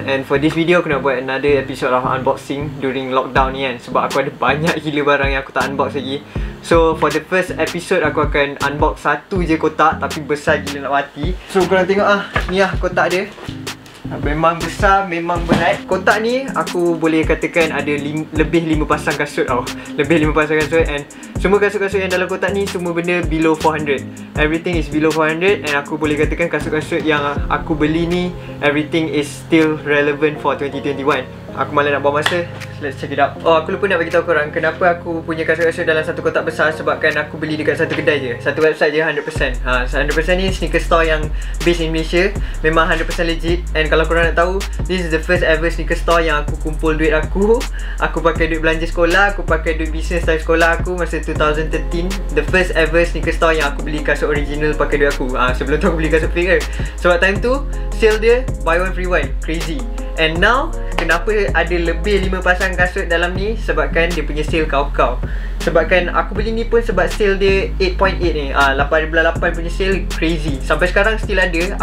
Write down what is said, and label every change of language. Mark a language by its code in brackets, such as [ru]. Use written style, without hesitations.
[en] And for this video, [ms] aku nak buat [en] another episode of unboxing during lockdown [ms] ni kan. Sebab aku ada banyak gila barang yang aku tak unbox lagi. So, [en] for the first episode, [ms] aku akan unbox satu je kotak tapi besar gila nak mati. So, korang tengok ah, ni lah kotak dia. Memang besar, memang berat. Kotak ni, aku boleh katakan ada lebih 5 pasang kasut tau. Lebih 5 pasang kasut and semua kasut-kasut yang dalam kotak ni, semua benda [en] below 400. Everything is below 400 and [ms] aku boleh katakan kasut-kasut yang aku beli ni, [en] everything is still relevant for 2021. [ms] Aku malas nak buang masa, [en] let's check it out. [ms] Oh, aku lupa nak beritahu korang kenapa aku punya kasut-kasut dalam satu kotak besar. Sebabkan aku beli dekat satu kedai je, satu website je 100%. Ha, 100% ni sneaker store yang based in Malaysia. Memang 100% legit. And kalau korang nak tahu, [en] this is the first ever sneaker store [ms] yang aku kumpul duit aku. Aku pakai duit belanja sekolah, aku pakai duit business dari sekolah aku masa 2013. [en] The first ever sneaker store [ms] yang aku beli kasut original pakai duit aku. Ha, sebelum tu aku beli kasut fake. Sebab time tu, sale dia [en] buy one free one, crazy. [ms] And now, kenapa ada lebih 5 pasang kasut dalam ni? Sebabkan dia punya sale kau-kau. Sebabkan aku beli ni pun sebab sale dia 8.8 ni. Ah, 8.8 punya sale, crazy. Sampai sekarang still ada.